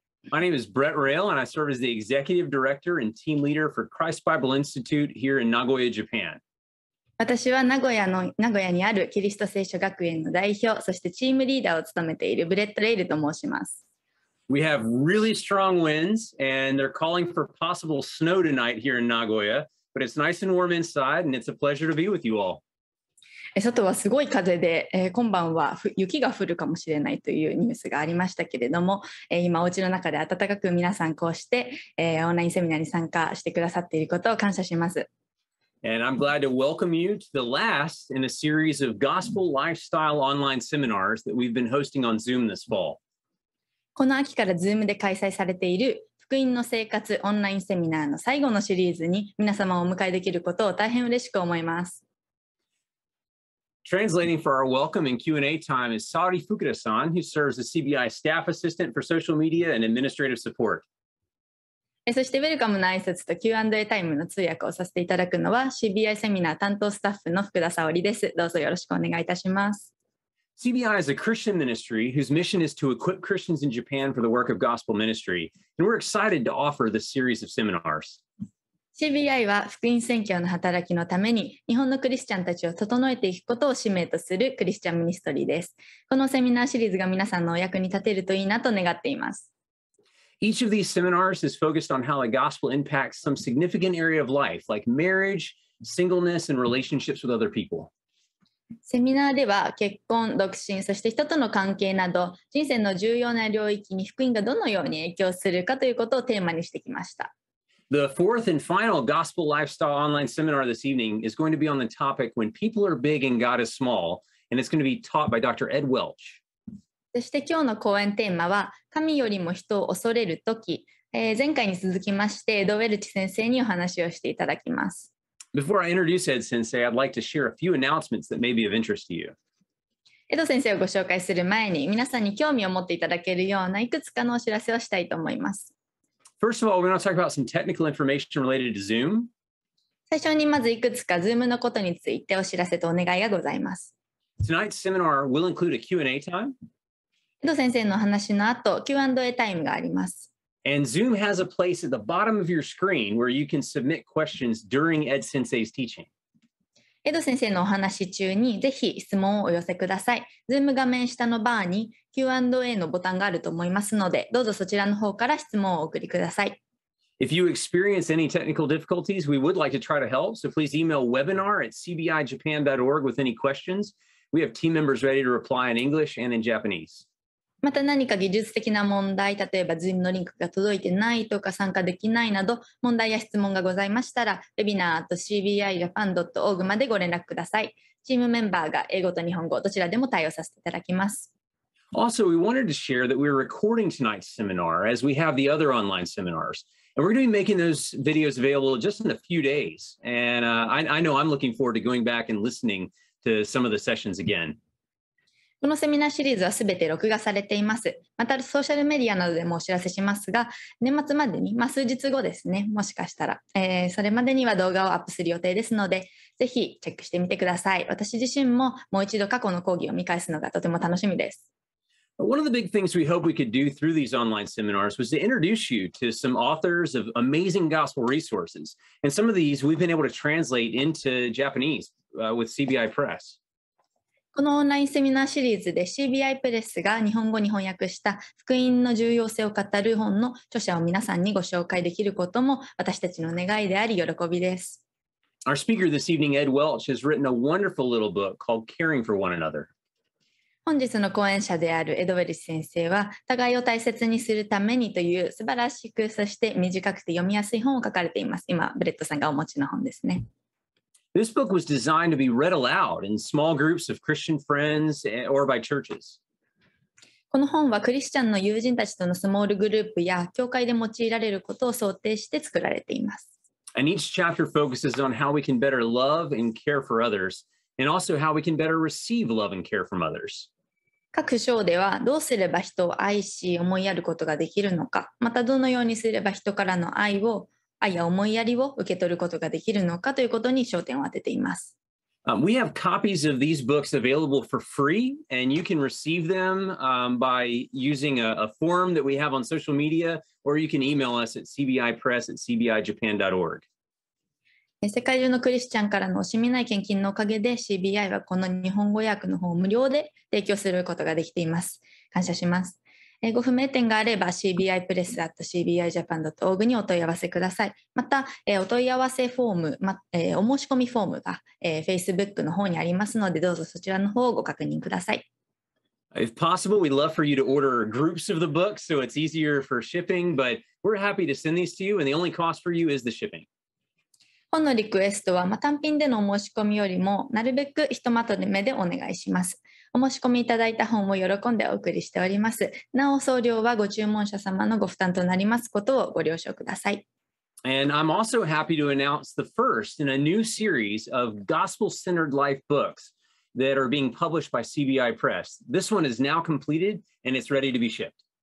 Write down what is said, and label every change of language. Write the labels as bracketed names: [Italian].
[English] My name is Brett Rail, and I serve as the Executive Director and Team Leader for Christ Bible Institute here in Nagoya, Japan. [Japanese] 私は名古屋にあるキリスト聖書学園の代表、そしてチームリーダーを務めているブレット・レイルと申します。 [English] We have really strong winds, and they're calling for possible snow tonight here in Nagoya, but it's nice and warm inside, and it's a pleasure to be with you all. [Japanese] 外はすごい風で、今晩は雪が降るかもしれないというニュースがありましたけれども、今お家の中で暖かく皆さんこうして、オンラインセミナーに参加してくださっていることを感謝します。 [English] And I'm glad to welcome you to the last in a series of gospel lifestyle online seminars that we've been hosting on Zoom this fall. [Japanese] この秋から Zoom で開催されている福音の生活オンラインセミナーの最後のシリーズに皆様をお迎えできることを大変嬉しく思います。 [English] Translating for our welcome and Q&A time is Sari Fukuda-san, who serves as CBI Staff Assistant for Social Media and Administrative Support. [Japanese] そして、ウェルカムの挨拶と Q&A タイムの通訳をさせていただくのは、CBI セミナー担当スタッフの福田沙織です。どうぞよろしくお願いいたします。 [English] CBI is a Christian ministry whose mission is to equip Christians in Japan for the work of gospel ministry, and we're excited to offer this series of seminars. [Japanese] CBI は福音宣教の働きのために日本のクリスチャンたちを整えていくことを使命とするクリスチャンミニストリーです。このセミナーシリーズが皆さんのお役に立てるといいなと願っています。 [English] Each of these seminars is focused on how the gospel impacts some significant area of life, like marriage, singleness, and relationships with other people. [Japanese] セミナーでは結婚、独身、そして人との関係など人生の重要な領域に福音がどのように影響するかということをテーマにしてきました。 [English] The fourth and final Gospel Lifestyle Online Seminar this evening is going to be on the topic When People Are Big and God is Small, and it's going to be taught by Dr. Ed Welch. [Japanese] そして今日の講演テーマは、神よりも人を恐れる時、前回に続きまして、エド・ウェルチ先生にお話をしていただきます。 [English] Before I introduce Ed 先生, I'd like to share a few announcements that may be of interest to you. [Japanese] エド先生をご紹介する前に、皆さんに興味を持っていただけるようないくつかのお知らせをしたいと思います。 [English] First of all, we're going to talk about some technical information related to Zoom. [Japanese] 最初にまずいくつか Zoom のことについてお知らせとお願いがございます。 [English] Tonight's seminar will include a Q&A time. [Japanese] 江戸先生の話の後、Q&A タイムがあります。 [English] And Zoom has a place at the bottom of your screen where you can submit questions during Ed Sensei's teaching. [Japanese] 江戸先生のお話中にぜひ質問をお寄せください。 Zoom 画面下のバーに Q&A のボタンがあると思いますので、どうぞそちらの方から質問をお送りください。 [English] If you experience any technical difficulties, we would like to try to help, so please email webinar@cbijapan.org with any questions. We have team members ready to reply in English and in Japanese. [Japanese] また何か技術的な問題、例えば Zoom のリンクが届いてないとか参加できないなど、問題や質問がございましたら、webinar@cbijapan.org までご連絡ください。チームメンバーが英語と日本語、どちらでも対応させていただきます。 [English] Also, we wanted to share that we're recording tonight's seminar, as we have the other online seminars. And we're going to be making those videos available just in a few days. And I know I'm looking forward to going back and listening to some of the sessions again. [Japanese] このセミナーシリーズはすべて録画されています。またソーシャルメディアなどでもお知らせしますが、年末までに、まあ、数日後ですね、もしかしたら、それまでには動画をアップする予定ですので、ぜひチェックしてみてください。私自身ももう一度過去の講義を見返すのがとても楽しみです。 [English] One of the big things we hope we could do through these online seminars was to introduce you to some authors of amazing gospel resources. And some of these we've been able to translate into Japanese, with CBI Press. [Japanese] このオンラインセミナーシリーズで CBI プレスが日本語に翻訳した福音の重要性を語る本の著者を皆さんにご紹介できることも私たちの願いであり喜びです。 [English] Our speaker this evening, Ed Welch, has written a wonderful little book called Caring for One Another. [Japanese] 本日の講演者であるエドウェルチ先生は、互いを大切にするためにという素晴らしく、そして短くて読みやすい本を書かれています。今、ブレットさんがお持ちの本ですね。 [English] This book was designed to be read aloud in small groups of Christian friends or by churches. [Japanese] この本はクリスチャンの友人たちとのスモールグループや教会で用いられることを想定して作られています。 [English] And each chapter focuses on how we can better love and care for others. And also how we can better receive love and care from others. [Japanese] 各章ではどうすれば人を愛し思いやることができるのか、またどのようにすれば人からの愛を、愛や思いやりを受け取ることができるのかということに焦点を当てています。 [English] We have copies of these books available for free, and you can receive them by using a form that we have on social media, or you can email us at cbipress@cbijapan.org. [Japanese] 世界中のクリスチャンからの惜しみない献金のおかげで CBI はこの日本語訳の方を無料で提供することができています。感謝します。ご不明点があれば cbipress@cbijapan.org にお問い合わせください。また、お問い合わせフォーム、お申し込みフォームが Facebook の方にありますので、どうぞそちらの方をご確認ください。 [English] If possible, we'd love for you to order groups of the books so it's easier for shipping, but we're happy to send these to you and the only cost for you is the shipping. [Japanese] 本のリクエストは、単品での申し込みよりもなるべくひとまとめでお願いします。お申し込みいただいた本を喜んでお送りしております。なお送料はご注文者様のご負担となりますことをご了承ください。 [English] And I'm also happy to announce the first in a new series of gospel-centered life books that are being published by CBI Press. This one is now completed and it's ready to be shipped.